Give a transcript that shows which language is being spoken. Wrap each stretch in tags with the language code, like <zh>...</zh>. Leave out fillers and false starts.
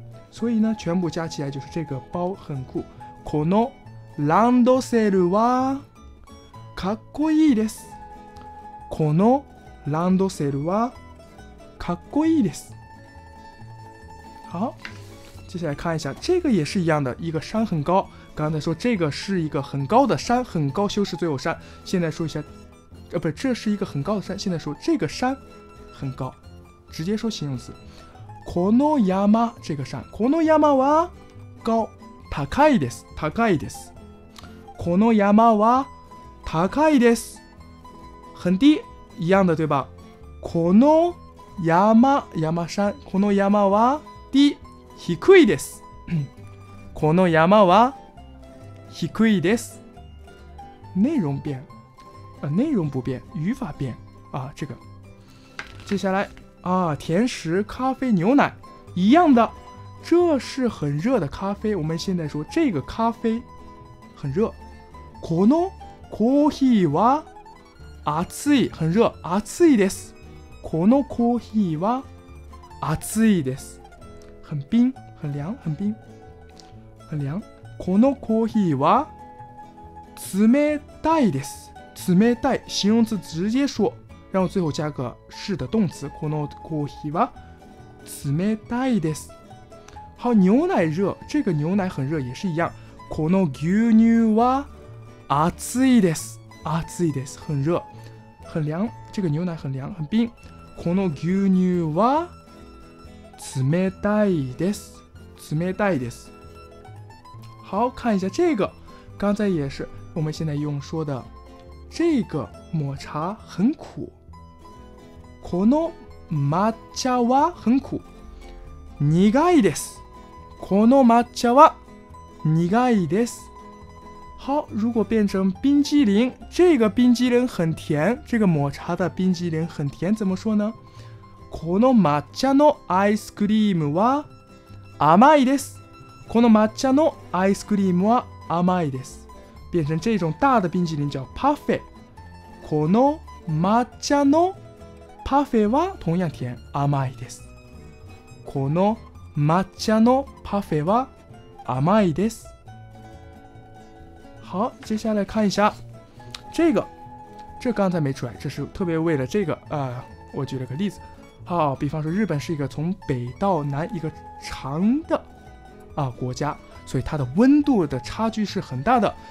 <zh>所以呢，全部加起来就是这个包很酷。</zh> <ja>このランドセルはかっこいいです。このランドセルはかっこいいです。</ja> <zh>好，接下来看一下，这个也是一样的，一个山很高。刚才说这个是一个很高的山，很高修饰最后山，现在说一下这是一个很高的山，现在说这个山很高，直接说形容词。</zh> <ja>この山，</ja> <zh>这个山，</zh> <ja>この山は高，高いです，高いです。この山は高いです，</ja> <zh>很低，一样的对吧。</zh> <ja>この山，山山，この山は低，低いです。この山は低いです。</ja> <zh>内容变，内容不变，语法变啊。这个，接下来啊，甜食、咖啡、牛奶，一样的。这是很热的咖啡。我们现在说这个咖啡很热。</zh> <ja>このコーヒーは熱い，</ja> <zh>很热。</zh> <ja>熱いです。このコーヒーは熱いです。</ja> <zh>很冰，很凉，很冰，很凉。</zh> <ja>このコーヒーは冷たいです。</ja> <zh>冷たい，形容词直接说，然后最后加个是的动词。</zh> <ja>このコーヒーは冷たいです。</ja> <zh>好，牛奶热，这个牛奶很热也是一样。</zh> <ja>この牛乳は熱いです。熱いです，</ja> <zh>很热，很凉。这个牛奶很凉，很冰。</zh> <ja>この牛乳は冷たいです。冷たいです。</ja> <zh>好，看一下这个，刚才也是我们现在用说的，这个抹茶很苦。</zh> <ja>この抹茶は</ja> <zh>很苦。</zh> <ja>苦いです。この抹茶は苦いです。</ja> <zh>好，如果变成冰激凌，这个冰激凌很甜，这个抹茶的冰激凌很甜，怎么说呢？</zh> <ja>この抹茶のアイスクリームは甘いです。この抹茶のアイスクリームは甘いです。</ja> <zh>变成这种大的冰激凌叫パフェ。</zh> <ja>この抹茶のパフェは同样甜，甘いです。この抹茶のパフェは甘いです。</ja> <zh>好，接下来看一下这个，这刚才没出来，这是特别为了这个我举了个例子。好，比方说日本是一个从北到南一个长的国家，所以它的温度的差距是很大的。</zh>